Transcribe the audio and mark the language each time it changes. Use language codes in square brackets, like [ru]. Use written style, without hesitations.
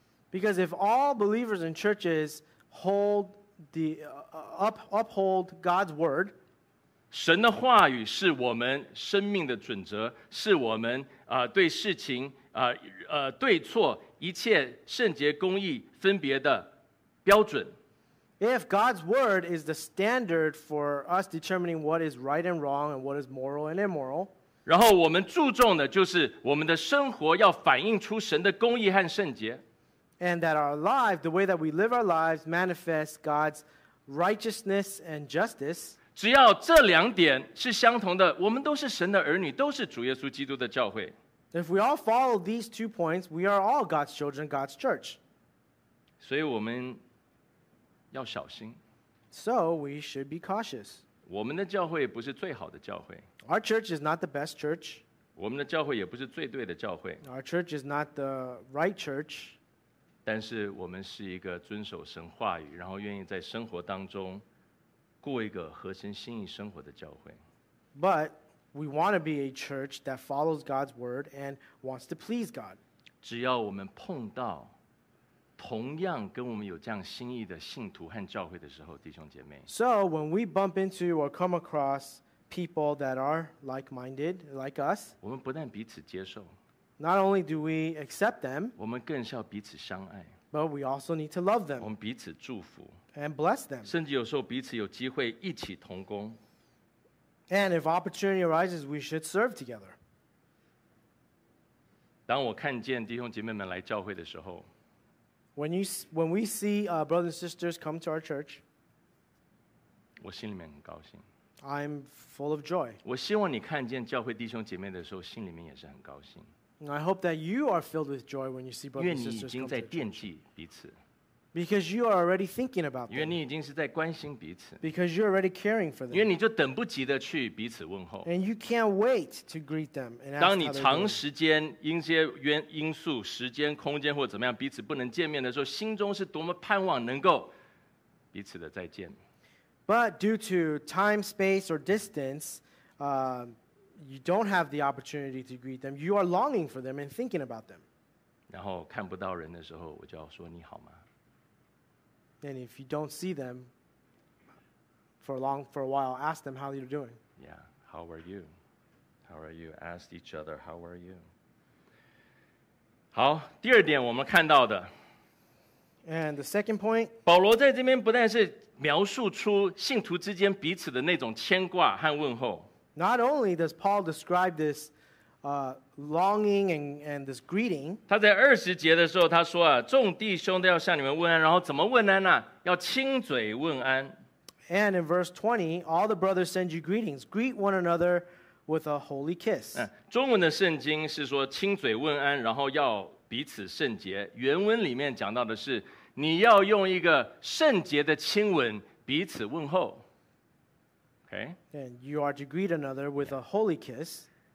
[en] Because if all believers in churches hold the uphold God's word, [zh] 神的话语是我们生命的准则，是我们对事情。对错一切圣洁公义分别的标准。 [en] If God's word is the standard for us determining what is right and wrong and what is moral and immoral, [zh] 然后我们注重的就是我们的生活要反映出神的公义和圣洁。 [en] And that our lives, the way that we live our lives, manifests God's righteousness and justice. [zh] 只要这两点是相同的，我们都是神的儿女，都是主耶稣基督的教会。 [en] If we all follow these two points, we are all God's children, God's church. [zh] 所以我们要小心。 [en] So we should be cautious. [zh] 我们的教会不是最好的教会。 [en] Our church is not the best church. Our church is not the right church. [zh] 但是我们是一个遵守神话语, 然后愿意在生活当中 过一个合神心意生活的教会。 [en] But we want to be a church that follows God's word and wants to please God. [zh] 只要我们碰到 同样跟我们有这样心意的信徒和教会的时候, 弟兄姐妹, [en] So when we bump into or come across people that are like-minded, like us, [zh] 我们不但彼此接受, [en] not only do we accept them, [zh] 我们更是要彼此相爱, [en] but we also need to love them [zh] 我们彼此祝福, [en] and bless them. [zh] 甚至有时候彼此有机会一起同工, [en] and if opportunity arises, we should serve together. [zh] 当我看见弟兄姐妹们来教会的时候, [en] When we see brothers and sisters come to our church, [zh] 我心里面很高兴。 [en] I'm full of joy. [zh] 我希望你看见教会弟兄姐妹的时候，心里面也是很高兴。 [en] I hope that you are filled with joy when you see brothers and sisters come to our church. [zh] 因为你已经在惦记彼此。 [en] Because you are already thinking about them. [zh] 因为你已经是在关心彼此。 [en] Because you're already caring for them. [zh] 因为你就等不及的去彼此问候。 [en] And you can't wait to greet them and ask how they're [zh] 当你长时间因些因素、时间、空间或怎么样彼此不能见面的时候， 心中是多么盼望能够彼此的再见。 [en] But due to time, space, or distance, you don't have the opportunity to greet them. You are longing for them and thinking about them. [zh] 然后看不到人的时候，我就要说你好吗？ [en] And if you don't see them for a while, ask them how you're doing. Yeah, how are you? How are you? Ask each other, how are you? [zh] 好，第二点我们看到的。 [en] And the second point, [zh] 保罗在这边不但是描述出信徒之间彼此的那种牵挂和问候。 [en] Not only does Paul describe this longing and this greeting. [zh] 他在20节的时候他说啊, 众弟兄都要向你们问安, 然后怎么问安啊? 要亲嘴问安。 [en] And in verse 20, all the brothers send you greetings. Greet one another with a holy kiss. [zh] 中文的圣经是说亲嘴问安, 然后要彼此圣洁。原文里面讲到的是, 你要用一个圣洁的亲吻彼此问候。 [en] Okay? And you are to greet another with a holy kiss.